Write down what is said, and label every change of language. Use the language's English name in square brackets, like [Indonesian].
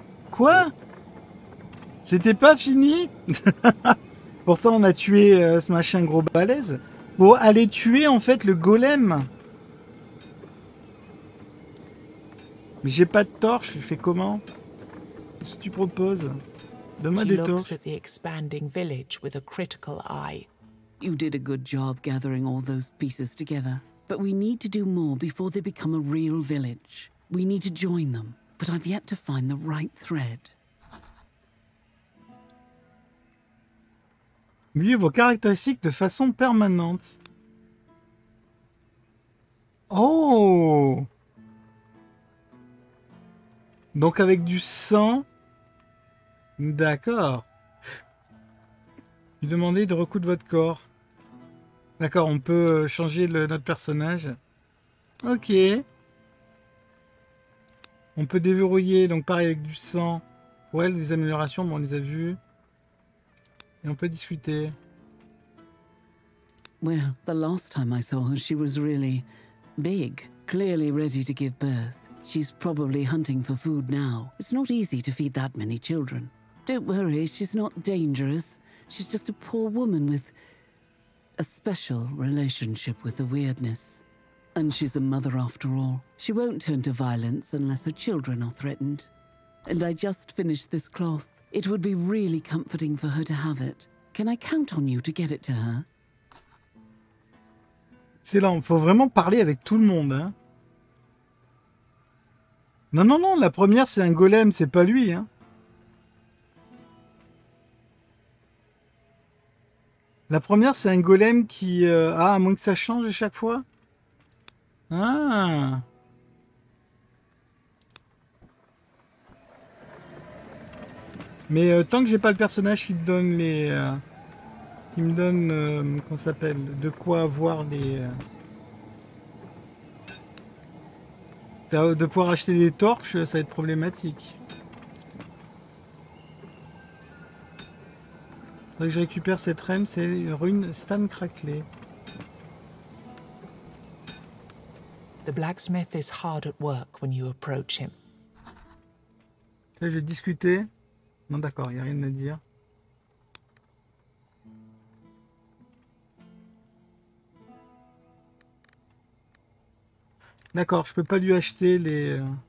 [French] Quoi? C'était pas fini? Pourtant on a tué ce machin gros balèze. Pour aller tuer en fait le golem. Mais j'ai pas de torche, je fais comment? Qu'est-ce que tu proposes? Donne-moi des torches. [English] She looks at the expanding village with a critical eye. You did a good job gathering all those pieces together. But we need to do more before they become a real village. We need to join them, but I've yet to find the right thread. [French] Mieux vos caractéristiques de façon permanente. Oh! Donc avec du sang. D'accord. Lui demander de recoudre votre corps. D'accord, on peut changer notre personnage. Ok. On peut déverrouiller, donc pareil avec du sang. Ouais, les améliorations, bon, on les a vues. Et on peut discuter. [English] Well, the last time I saw her, she was really big, clearly ready to give birth. She's probably hunting for food now. It's not easy to feed that many children. Don't worry, she's not dangerous. She's just a poor woman with a special relationship with the weirdness. And she's a mother after all. She won't turn to violence unless her children are threatened. And I just finished this cloth. It would be really comforting for her to have it. Can I count on you to get it to her? [French] C'est là, il faut vraiment parler avec tout le monde, hein. Non, non, non, la première, c'est un golem, c'est pas lui, hein. La première, c'est un golem qui... Ah, à moins que ça change à chaque fois. Ah. Mais tant que j'ai pas le personnage qui me donne les... qui me donne... comment ça s'appelle? De quoi avoir les... de pouvoir acheter des torches, ça va être problématique. Que je récupère cette rune, c'est une rune Stan Crackley. [English] The blacksmith is hard at work when you approach him. [French] Là, je vais discuter. Non, d'accord, il n'y a rien à dire. D'accord, je peux pas lui acheter les.